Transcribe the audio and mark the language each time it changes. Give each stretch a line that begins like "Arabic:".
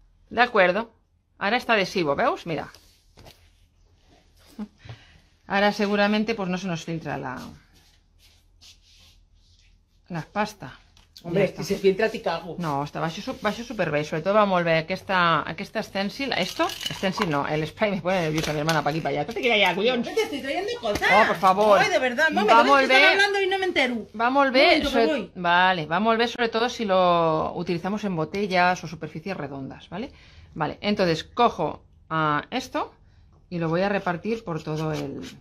Spanish: De acuerdo. Ahora está adhesivo,
Catalan: ¿veus?
Spanish: Mira. Ahora seguramente pues no se nos filtra la pasta.
Catalan: Hombre, ja si es filtra t'hi cago. No, està, va això super bé. Sobretot va molt bé aquesta, aquesta stencil.
Spanish: Esto? Stencil no, el spray me pone nerviosa mi hermana pa aquí, pa allá. ¿Qué te quiere allá, collons? Te estoy trayendo cosas. Oh, por favor. Ay, de verdad. Mami,
Catalan: va molt bé. Estan
Spanish: hablando y no me entero.
Catalan: Va molt bé.
Spanish: Momento, sobre... Vale,
Catalan: va molt bé sobretot
Spanish: si lo utilizamos en botellas o superficies redondas, ¿vale? Vale, entonces cojo esto y lo voy a repartir por todo el...